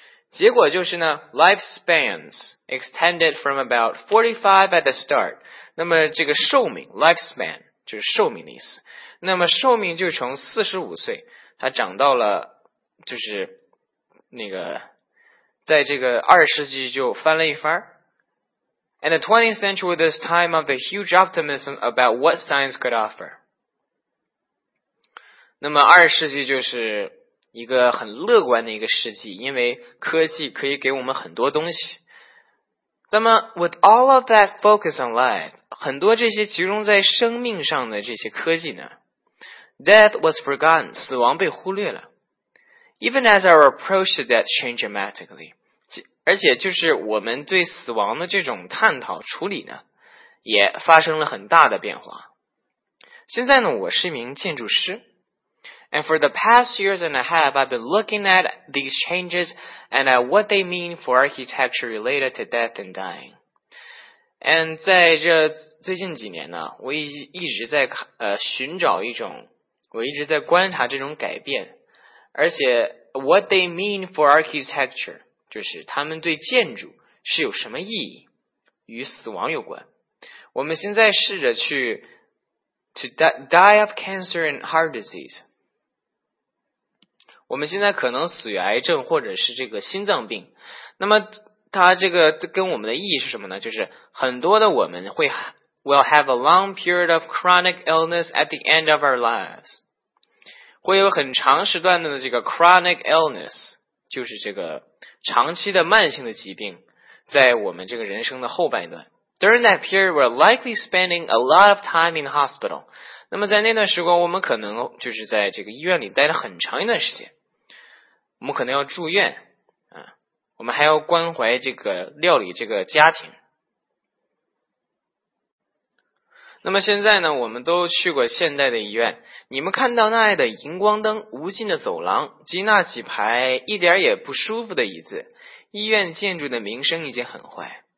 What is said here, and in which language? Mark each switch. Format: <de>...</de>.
<zh>结果就是呢</zh> <en>lifespans extended from about 45 at the start,</en> <zh>那么这个寿命 lifespan, 就是寿命的意思。那么寿命就从45岁它长到了就是那个在这个二世纪就翻了一番。</zh> <en>And the 20th century was this time of the huge optimism about what science could offer.</en> <zh>那么二世纪就是一个很乐观的一个世纪因为科技可以给我们很多东西。那么</zh> <en>with all of that focus on life,</en> <zh>很多这些集中在生命上的这些科技呢 ,</zh> <en>death was forgotten,</en> <zh>死亡被忽略了。</zh> <en>Even as our approach to death changed dramatically,</en> <zh>而且就是我们对死亡的这种探讨处理呢也发生了很大的变化。现在呢我是一名建筑师。</zh> <en>And for the past years and a half, I've been looking at these changes and at what they mean for architecture related to death and dying.</en> <zh>And 在这最近几年呢我一直在寻找一种我一直在观察这种改变。而且</zh> <en>what they mean for architecture,</en> <zh>就是他们对建筑是有什么意义与死亡有关我们现在试着去</zh> <en>to die of cancer and heart disease</en> <zh>我们现在可能死于癌症或者是这个心脏病那么它这个跟我们的意义是什么呢就是很多的我们会</zh> <en>will have a long period of chronic illness at the end of our lives</en> <zh>会有很长时段的这个 chronic illness 就是这个长期的慢性的疾病在我们这个人生的后半段。 During that period, we're likely spending a lot of time in the hospital. 那么在那段时光，我们可能就是在这个医院里待了很长一段时间。我们可能要住院，啊，我们还要关怀这个料理这个家庭。那么现在呢，我们都去过现代的医院，你们看到那里的荧光灯、无尽的走廊及那几排一点也不舒服的椅子，医院建筑的名声已经很坏。</zh>